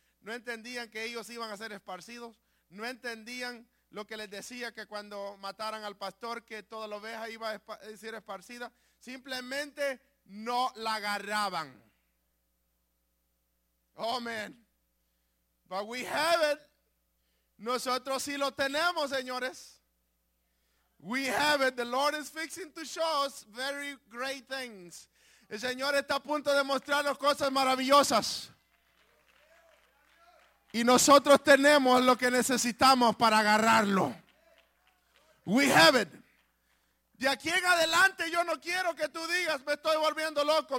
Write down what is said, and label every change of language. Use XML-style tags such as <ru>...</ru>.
<es>No entendían que ellos iban a ser esparcidos. No entendían lo que les decía que cuando mataran al pastor, que toda la oveja iba a ser esparcida. Simplemente no la agarraban.</es> <en>Oh, man. But we have it. Nosotros sí lo tenemos, señores. We have it. The Lord is fixing to show us very great things.</en> <es>El Señor está a punto de mostrarnos cosas maravillosas. Y nosotros tenemos lo que necesitamos para agarrarlo. We have it. De aquí en adelante yo no quiero que tú digas, me estoy volviendo loco.</es>